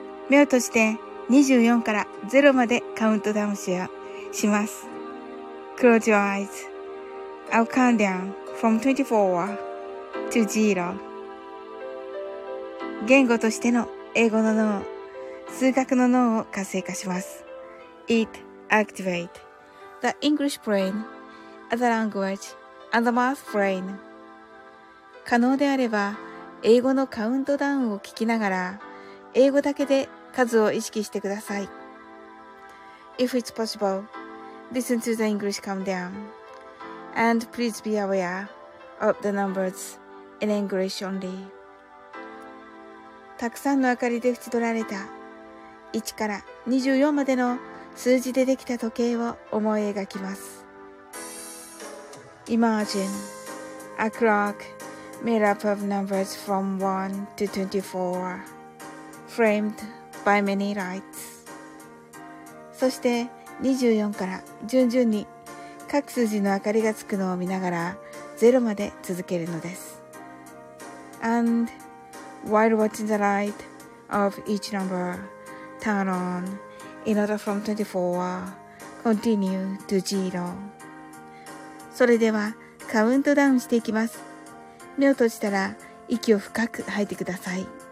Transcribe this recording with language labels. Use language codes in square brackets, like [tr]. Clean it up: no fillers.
[ja] 目を閉じて24から0までカウントダウンします。 [en] Close your eyes. I'll count down from 24 to 0. [ja] 言語としての英語の脳、数学の脳を活性化します。 [en] It activate. The English brain, the language, and the math brain. [ja] 可能であれば、英語のカウントダウンを聞きながら、英語だけで数を意識してください。 [en] If it's possible, listen to the English countdown. And please be aware of the numbers in English only. [ja] たくさんの明かりで縁取られた1から24までの数字でできた時計を思い描きます。 [en] Imagine a clock made up of numbers from 1 to 24, framed by many lights. [ja] そして24から順々に各数字の明かりがつくのを見ながら0まで続けるのです。 [en] And while watching the light of each number turn on,In order from 24, continue to zero. [ja] それではカウントダウンしていきます。目を閉じたら息を深く吐いてください。